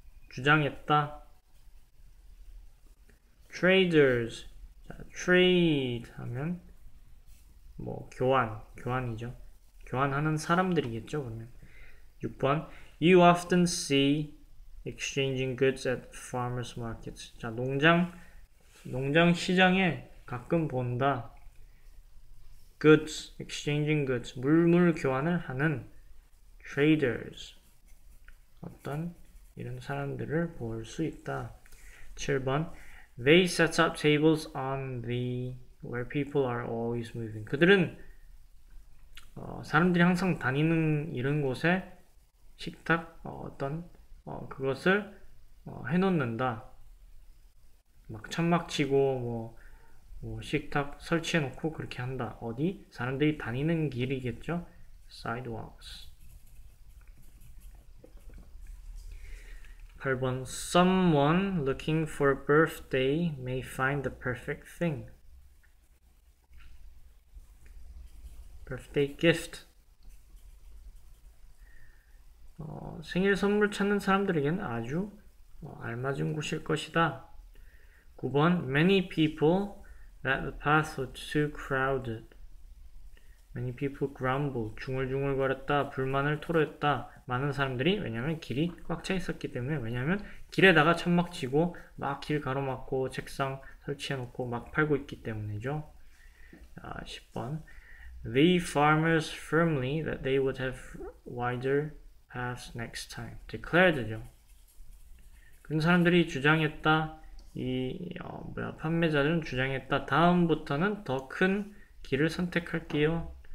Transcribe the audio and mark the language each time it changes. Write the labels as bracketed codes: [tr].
[ko] 주장했다. traders. 자, trade 하면 뭐 교환이죠. 교환하는 사람들이겠죠, 그러면. 6번. [en] You often see exchanging goods at farmers markets. [ko] 자, 농장 시장에 가끔 본다. goods, [en] exchanging goods, [ko] 물 교환을 하는 traders. 어떤 이런 사람들을 볼수 있다. 7번. [en] They set up tables on the where people are always moving. [ko] 그들은 사람들이 항상 다니는 이런 곳에 식탁 어떤 그것을 해놓는다. 막 천막 치고 뭐 식탁 설치해놓고 그렇게 한다. 어디? 사람들이 다니는 길이겠죠? [en] Sidewalks. 8번, someone looking for a birthday may find the perfect thing. birthday gift. [ko] 생일 선물 찾는 사람들에겐 아주 알맞은 곳일 것이다. [en] 9번, many people that the path was too crowded. many people grumble, [ko] 중얼중얼거렸다, 불만을 토로했다. 많은 사람들이, 왜냐면 길이 꽉차 있었기 때문에, 왜냐면 길에다가 천막 치고, 막길 가로막고, 책상 설치해놓고, 막 팔고 있기 때문이죠. 아, 10번. [en] The farmers firmly that they would have wider paths next time. declared죠. [ko] 그런 사람들이 주장했다, 뭐야, 판매자들은 주장했다, 다음부터는 더큰 길을 선택할게요.